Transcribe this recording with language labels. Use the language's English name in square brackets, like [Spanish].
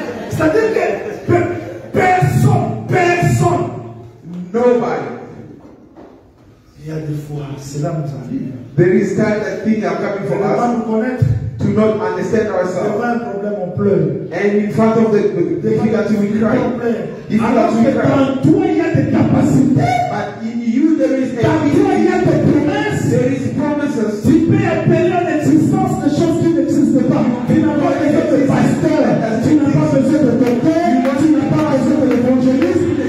[French] C'est-à-dire que personne, [English] nobody. [French] Il y a des fois, cela nous arrive. [English] There is kind of thing that coming for us. [French] Nous connaître. [English] To not understand ourselves. [French] Devant un problème, on pleure. [English] And in front of the difficulty, we cry. [French] If alors que dans toi, il y a des capacités. [English] But in you, there is a ability. [French] Dans toi, il y a des promesses. [English] There is promises. [French] Tu peux appeler à l'existence des choses qui n'existent pas. Tu n'as pas besoin de pasteur. Tu n'as pas besoin de docteur. Tu n'as pas besoin de l'évangéliste.